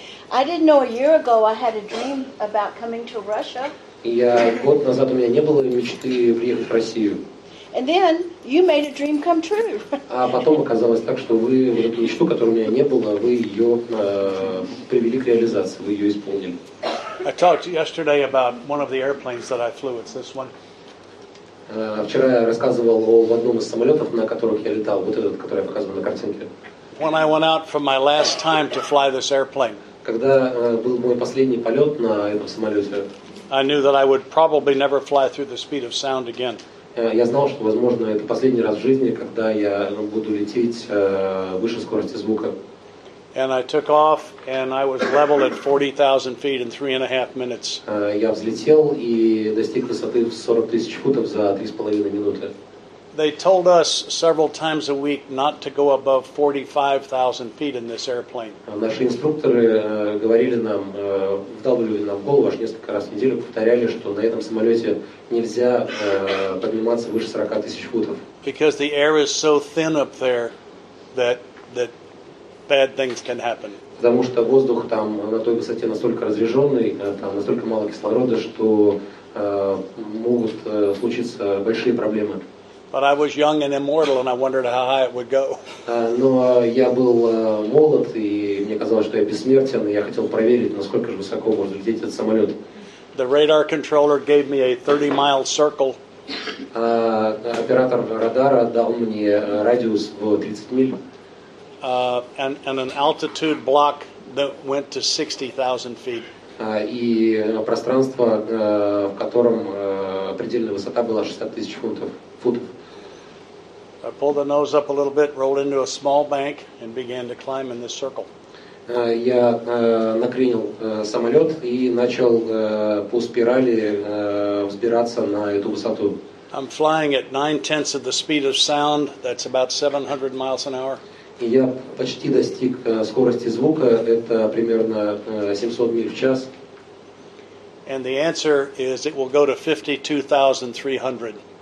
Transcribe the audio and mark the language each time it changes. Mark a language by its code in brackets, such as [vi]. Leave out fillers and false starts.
[en] I didn't know a year ago I had a dream about coming to Russia. [ru] Я год назад у меня не было мечты приехать в Россию. [en] And then you made a dream come true. [ru] А потом оказалось так, что вы вот эту мечту, которой у меня не было, вы ее привели к реализации, вы ее исполнили. [en] I talked yesterday about one of the airplanes that I flew. It's this one. [ru] Вчера я рассказывал об одном из самолетов, на которых я летал, вот этот, который я показываю на картинке. [en] When I went out for my last time to fly this airplane. [ru] Когда был мой последний полет на этом самолете, [en] I knew that I would probably never fly through the speed of sound again. [ru] Я знал, что, возможно, это последний раз в жизни, когда я буду лететь выше скорости звука. [en] And I took off, and I was level at 40,000 feet in 3.5 minutes. [ru] Я взлетел и достиг высоты в 40 тысяч футов за 3.5 минуты. [en] They told us several times a week not to go above 45,000 feet in this airplane. [ru] Наши инструкторы говорили нам, вдалбливали нам в голову аж несколько раз в неделю, повторяли, что на этом самолете нельзя подниматься выше 40 тысяч футов. [en] Because the air is so thin up there that bad things can happen. [ru] Потому что воздух там на той высоте настолько разреженный, там настолько мало кислорода, что могут случиться большие проблемы. [en] But I was young and immortal, and I wondered how high it would go. [ru] Но я был молод, и мне казалось, что я бессмертен, и я хотел проверить, насколько же высоко может взлететь этот самолет. [en] The radar controller gave me a 30-mile circle. [ru] Оператор радара дал мне радиус в 30 миль. [en] And an altitude block that went to 60,000 feet. [ru] И пространство, в котором предельная высота была 60,000 футов. [en] I pulled the nose up a little bit, rolled into a small bank, and began to climb in this circle. [ru] Я накренил самолет и начал по спирали взбираться на эту высоту. [en] I'm flying at 9/10 of the speed of sound. That's about 700 miles an hour. [ru] Я почти достиг скорости звука. Это примерно 700 миль в час. [en] And the answer is it will go to 52,300.